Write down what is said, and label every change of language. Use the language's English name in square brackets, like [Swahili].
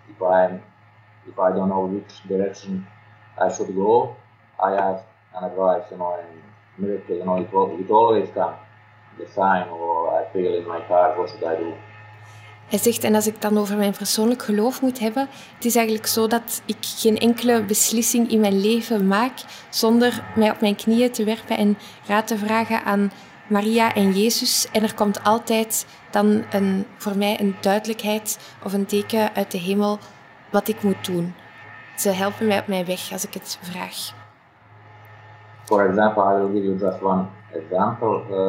[English] If I don't know which direction I should go, I ask an advice, you know, and miracle, you know, it always comes. The sign or I feel in my car, what should I do? [Dutch] Hij zegt, en als ik dan over mijn persoonlijk geloof moet hebben, het is eigenlijk zo dat ik geen enkele beslissing in mijn leven maak zonder mij op mijn knieën te werpen en raad te vragen aan Maria en Jezus. En er komt altijd dan voor mij een duidelijkheid of een teken uit de hemel wat ik moet doen. Ze helpen mij op mijn weg als ik het vraag. [English] For example, I will give you just one example.